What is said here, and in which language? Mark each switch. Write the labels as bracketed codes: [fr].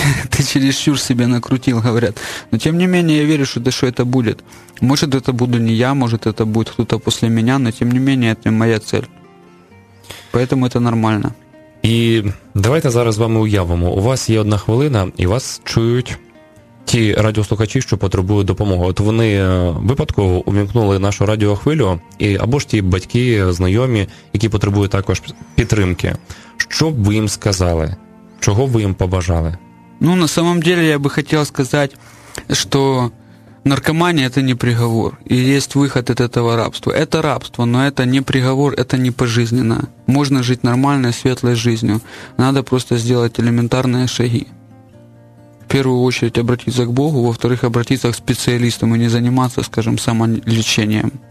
[ru] Ты чересчур себе накрутил, говорят. Но тем не менее я верю, что это будет. Может, это буду не я, может, это будет кто-то после меня, но тем не менее это моя цель. Поэтому это нормально. [uk] І давайте зараз вами уявимо. У вас є одна хвилина, і вас чують ті радіослухачі, що потребують допомоги. От вони випадково увімкнули нашу радіохвилю, і або ж ті батьки, знайомі, які потребують також підтримки. Що б ви їм сказали? Чого ви їм побажали? [ru] Ну, на самом деле, [uk] я би хотів сказати, що [ru] наркомания – это не приговор, и есть выход от этого рабства. Это рабство, но это не приговор, это не пожизненно. Можно жить нормальной, светлой жизнью. Надо просто сделать элементарные шаги. В первую очередь обратиться к Богу, во-вторых, обратиться к специалистам и не заниматься, скажем, самолечением.